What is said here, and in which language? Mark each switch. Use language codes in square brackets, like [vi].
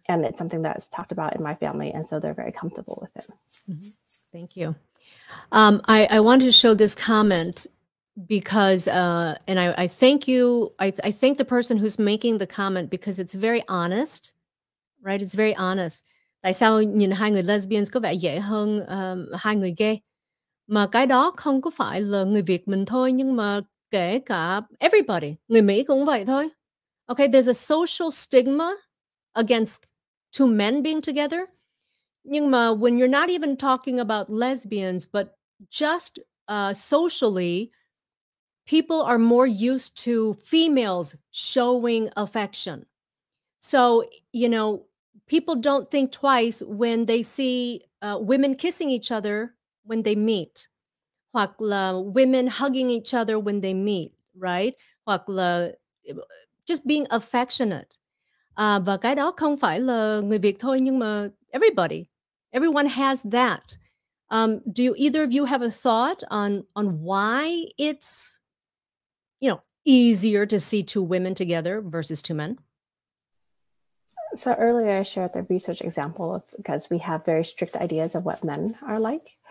[en] And it's something that's talked about in my family, and so they're very comfortable with it. Mm-hmm. Thank you. I wanted to show this comment. Because, and I thank you, I thank the person who's making the comment because it's very honest, right? It's very honest. [vi] Tại sao nhìn hai người lesbians có vẻ dễ hơn hai người gay? Mà cái đó không có phải là người Việt mình thôi, nhưng mà kể cả [en] everybody, [vi] người Mỹ cũng vậy thôi. [en] Okay, there's a social stigma against two men being together. [vi] Nhưng mà [en] when you're not even talking about lesbians, but just socially, people are more used to females showing affection. So, you know, people don't think twice when they see women kissing each other when they meet. [vi] Hoặc là [en] women hugging each other when they meet, right? [vi] Hoặc là [en] just being affectionate. [vi] Và cái đó không phải là người Việt thôi, nhưng mà [en] everybody. Everyone has that. Do you, either of you have a thought on why it's, you know, easier to see two women together versus two men? So earlier I shared the research example because we have very strict ideas of what men are like.